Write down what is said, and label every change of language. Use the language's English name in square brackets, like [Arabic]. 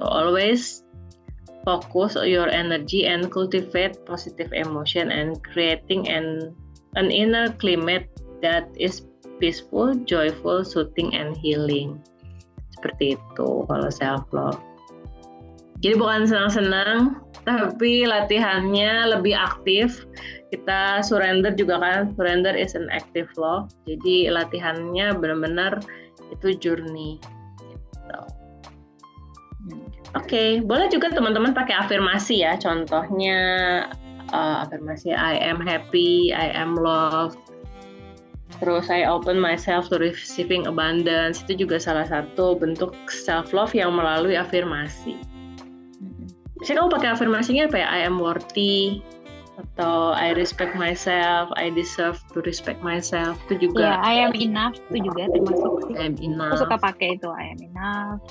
[English] Always focus your energy and cultivate positive emotion and creating an inner climate that is peaceful, joyful, soothing and healing. [Indonesian] Seperti itu kalau self love. Jadi bukan senang-senang, tapi latihannya lebih aktif. Kita surrender juga kan, [English] surrender is an active law. [Indonesian] Jadi latihannya benar-benar itu journey. Gitu. Okay. Boleh juga teman-teman pakai afirmasi ya. Contohnya afirmasi [English] I am happy, I am loved. [Indonesian] Terus [English] I open myself to receiving abundance. [Indonesian] Itu juga salah satu bentuk self love yang melalui afirmasi. Misalnya kamu pakai afirmasinya apa ya? [English] I am worthy. [Indonesian] Atau [English] I respect myself, I deserve to respect myself, [Indonesian] itu juga. Iya, [English] I am enough, [Indonesian] itu juga termasuk. [English] I am enough. [Indonesian] Aku suka pakai itu, [English] I am enough.